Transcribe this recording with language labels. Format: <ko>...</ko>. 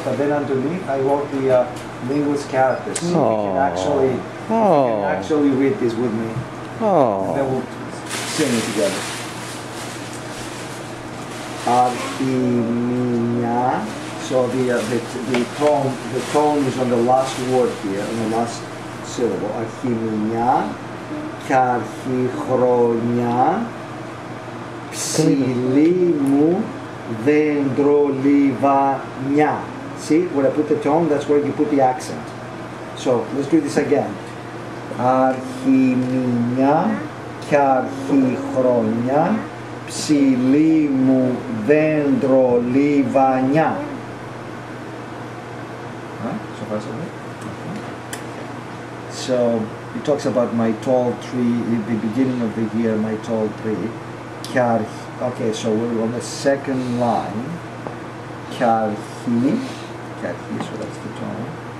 <en>But then underneath, I wrote the linguist characters. So you can actually read this with me. And then we'll sing it together. So the tone is on the last word here, on the last syllable.</en> <el>Αρχιμηνιά, καρχιχρονιά, ψηλή μου, δεντρολιβανιά.</el> <en>See, when I put the tone, that's where you put the accent. So let's do this again.</en> <el>Αρχιμηνιά, καρχιχρονιά, ψηλή μου, δεντρολιβανιά.</el> <en>So it talks about my tall tree in the beginning of the year, my tall tree. Okay, so we're on the second line. Kyarhi, so that's the tone.</en>